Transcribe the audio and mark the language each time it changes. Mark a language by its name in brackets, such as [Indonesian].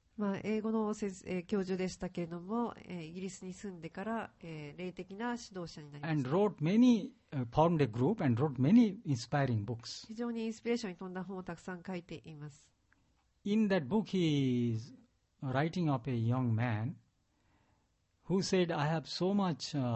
[Japanese] まあ英語の教授でしたけれども、イギリスに住んでから、霊的な指導者になりました。 [English] And wrote many, formed a group and wrote many inspiring books. [Japanese] 非常にインスピレーションに富んだ本をたくさん書いています。 [English] In that book, he is writing of a young man who said, "I have so much."